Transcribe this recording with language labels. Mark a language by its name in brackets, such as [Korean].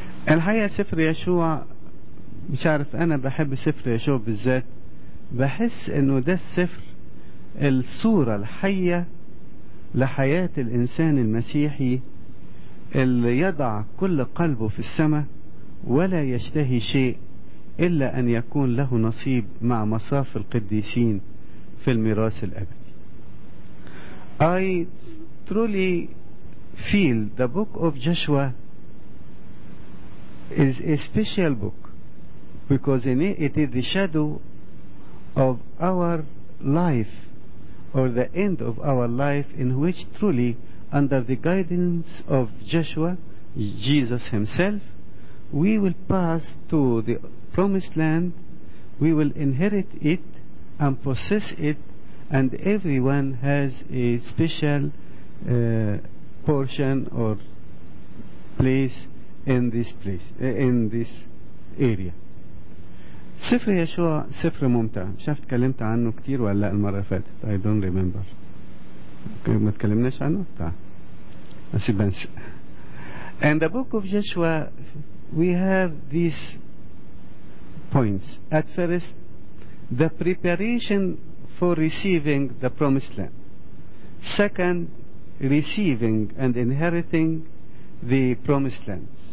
[Arabic] الحقيقة سفر يشوع، مش عارف، أنا بحب سفر يشوع بالذات، بحس إنه ده السفر الصورة الحية لحياة الإنسان المسيحي اللي يضع كل قلبه في السماء ولا يشتهي شيء إلا أن يكون له نصيب مع مصاف القديسين في الميراث الأبدي. [English] I truly feel the book of Joshua is a special book because in it is the shadow of our life or the end of our life, in which truly under the guidance of Joshua, Jesus himself, we will pass to the promised land, we will inherit it and possess it, and everyone has a special portion or place in this place, in this area. [Arabic] سفر يشوع سفر ممتع، مش عارف اتكلمت عنه كتير ولا المره اللي فاتت، [English] I don't remember، [Arabic] ما اتكلمناش عنه، بس بنسى. [English] In the book of Joshua we have these points. At first, the preparation for receiving the promised land. Second, receiving and inheriting the promised land.